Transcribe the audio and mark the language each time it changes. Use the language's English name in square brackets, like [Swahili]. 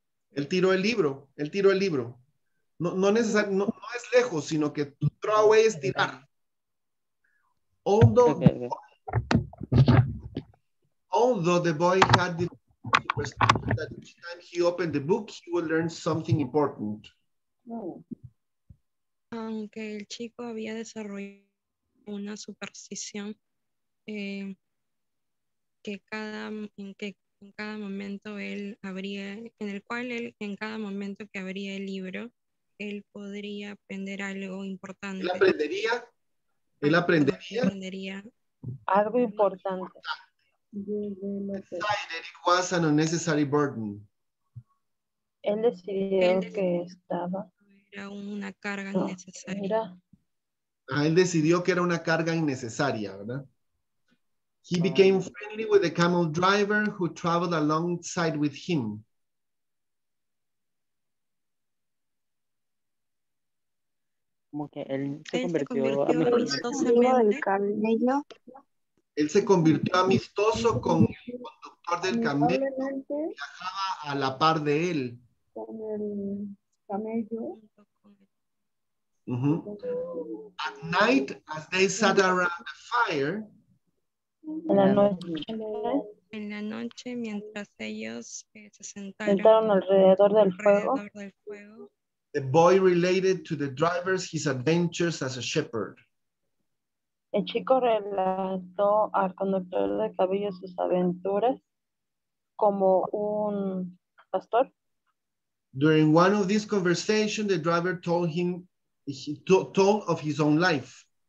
[Spanish] Él tiró el libro. No es lejos, sino que [English] to throw away [Spanish] es tirar. [English] Although the boy had the perception that each time he opened the book, he would learn something important. [Spanish] Aunque el chico había desarrollado una superstición en cada momento que abría el libro, él podría aprender algo importante. Él aprendería algo importante. [English] Decided it was an unnecessary burden. [Spanish] Él decidió que estaba. Era una carga innecesaria. Él decidió que era una carga innecesaria, ¿verdad? [English] He became friendly with the camel driver who traveled alongside with him. [Spanish] Como que él se convirtió amistosamente. Él se convirtió amistoso con el conductor del camello que viajaba a la par de él. Con el camello. [English] At night, as they sat around the fire. [Spanish] En la noche, mientras ellos se sentaron alrededor del fuego. [English] The boy related to the drivers his adventures as a shepherd. [Spanish] El chico relató al conductor de caballo sus aventuras como un pastor. [English] During one of these conversations, the driver told him, he told of his own life.